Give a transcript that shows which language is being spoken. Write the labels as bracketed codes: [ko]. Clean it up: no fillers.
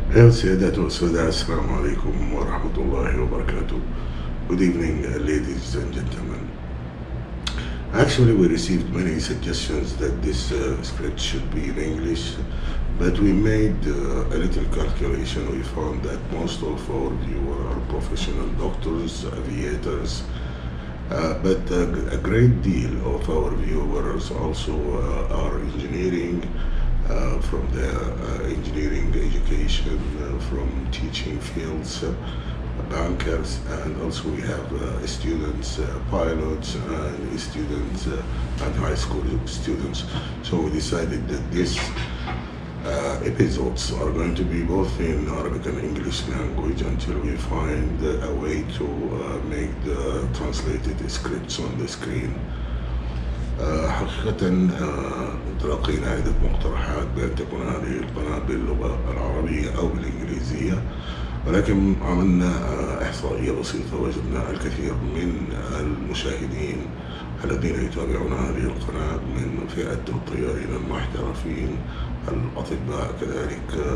[ar] سيدات وسادة، السلام عليكم ورحمة الله وبركاته. [en] Good evening, ladies and gentlemen. Actually, we received many suggestions that this script should be in English, but we made a little calculation. We found that most of our viewers are professional doctors, aviators, but a great deal of our viewers also are engineering. From the engineering education, from teaching fields, bankers, and also we have students, pilots, and students, and high school students. So we decided that this episodes are going to be both in Arabic and English language until we find a way to make the translated scripts on the screen. [ar] حقيقة تلقينا عدة مقترحات بأن تكون هذه القناة باللغة العربية أو بالإنجليزية، ولكن عملنا إحصائية بسيطة وجدنا الكثير من المشاهدين الذين يتابعون هذه القناة من فئة الطيارين المحترفين، الأطباء كذلك